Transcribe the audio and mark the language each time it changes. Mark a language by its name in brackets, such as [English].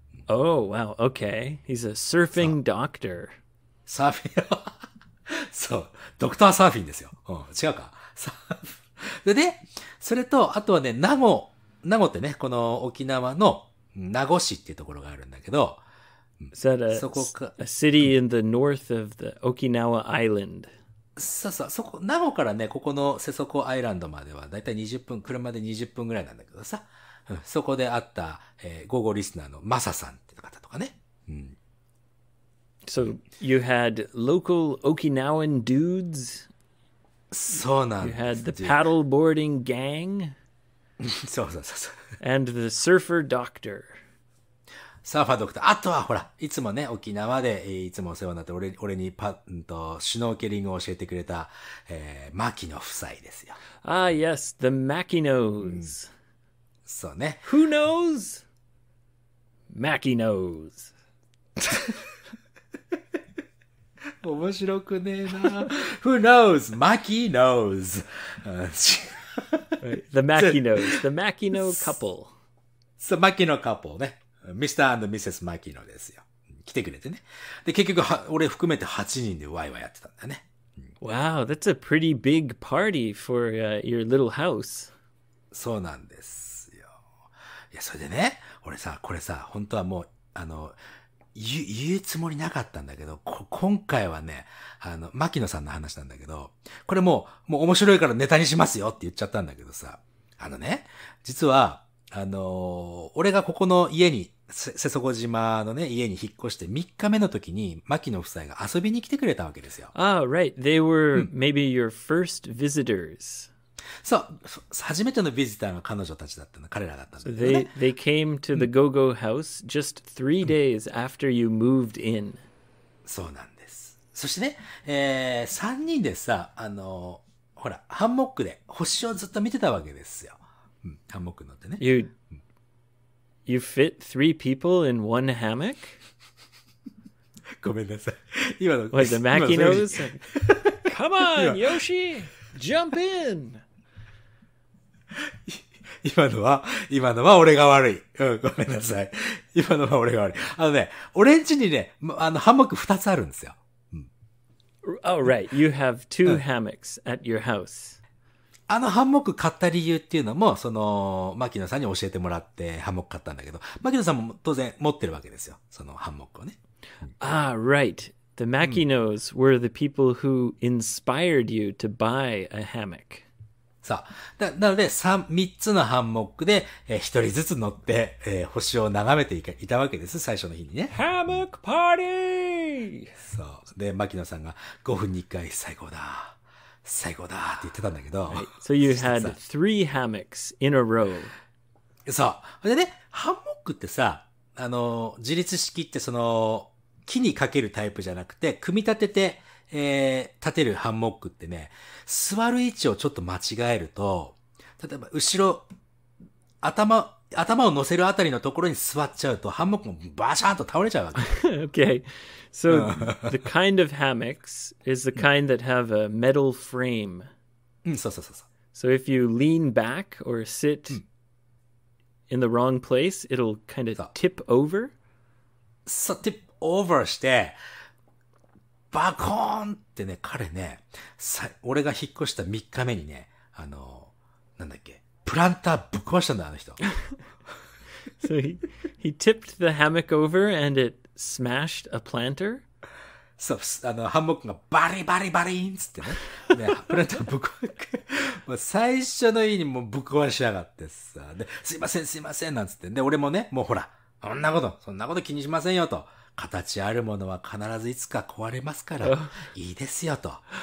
[English] Oh, wow, okay. He's a surfing doctor. [Japanese] サーフィン。そう。ドクターサーフィンですよ。うん、違うか。サーフ。で、それと、あとはね、名護ってね、この沖縄の、名護市っていうところがあるんだけど、 [English] Is that [Japanese] そこか、 [English] a city in the north of the Okinawa Island. [Japanese] そうそう、そこ、名護からね、ここの瀬底アイランドまでは、だいたい20分、車で20分ぐらいなんだけどさ、うん、そこで会った、午後リスナーのマサさんっていう方とかね。うん、 [English] so, you had local Okinawan dudes? [Japanese] そうなんです。 [English] You had the paddleboarding gang? [Japanese] そうそうそうそう。 [English] And the surfer doctor. [Japanese] サーファードクター。あとはほら、いつもね、沖縄でいつもお世話になって、俺にパッとシュノーケリングを教えてくれた、マキノ夫妻ですよ。 [English] Ah, yes, the Mackinos.、うん、 [Japanese] そうね。 [English] Who knows? Mackinos. [Japanese] 面白くねえな。 [English] Who knows? Mackinos. Right. The Mackinos, the Mackino couple. So, Mackino couple, [Japanese] ね。 [English] Mr. and Mrs. Mackino [Japanese] ですよ。来てくれてね。で、結局、俺含めて8人でワイワイやってたんだね。 [English] Wow, that's a pretty big party for、your little house. [Japanese] そうなんですよ。いや、それでね、俺さ、これさ、本当はもう、言うつもりなかったんだけど、今回はね、牧野さんの話なんだけど、これもう面白いからネタにしますよって言っちゃったんだけどさ、ね、実は、俺がここの家に、瀬底島のね、家に引っ越して3日目の時に、牧野夫妻が遊びに来てくれたわけですよ。 [English] ああ、right. They were maybe your first visitors.、 [Japanese] うん、そう、初めてのビジターが彼女たちだったの、彼らだったんだけどね。 [English] They came to the GoGo house just three days after you moved in.、 [Japanese] うん、そうなんです。そしてね、3人でさ、ほら、ハンモックで星をずっと見てたわけですよ。ハンモック乗ってね。 [English] You fit three people in one hammock? [Japanese] ごめんなさい。今の。 [English] Wait, the Mackinos? Come on, Yoshi! Jump in! [Japanese] 今のは俺が悪い。うん、ごめんなさい。今のは俺が悪い。あのね、俺ん家にね、あの、ハンモック二つあるんですよ。 [English] うん。Oh, right. You have two hammocks at your house. [Japanese] あのハンモック買った理由っていうのも、その、牧野さんに教えてもらってハンモック買ったんだけど、牧野さんも当然持ってるわけですよ。そのハンモックをね。 [English] Ah, right. The Mackinos were the people who inspired you to buy a hammock. [Japanese] さあ、なので、三つのハンモックで、一人ずつ乗って、星を眺めていたわけです、最初の日にね。ハンモックパーティーそう。で、牧野さんが5分に1回最高だ。最高だって言ってたんだけど。 [English] Right. So you had three hammocks in a row. [Japanese] そう。でね、ハンモックってさ、自立式ってその、木にかけるタイプじゃなくて、組み立てて、立てるハンモックってね、座る位置をちょっと間違えると、例えば後ろ、頭を乗せるあたりのところに座っちゃうと、ハンモックもバシャーンと倒れちゃうわけ。 [English] Okay. So, the kind of hammocks is the kind that have a metal frame. [Japanese] うん、そうそうそうそう。 [English] So if you lean back or sit in the wrong place, it'll kind of tip over? [Japanese] そう、tip over して、バコーンってね、彼ね、俺が引っ越した3日目にね、なんだっけ、プランターぶっ壊したんだ、あの人。 [English] So he tipped the hammock over and it smashed a planter? [Japanese] そう、ハンモックがバリバリバリーンつってね、プランターぶっ壊して、もう最初の家にもぶっ壊しやがってさ、で、すいませんすいませんなんつって、で、俺もね、もうほら、そんなこと気にしませんよと。形あるものは必ずいつか壊れますから、いいですよと。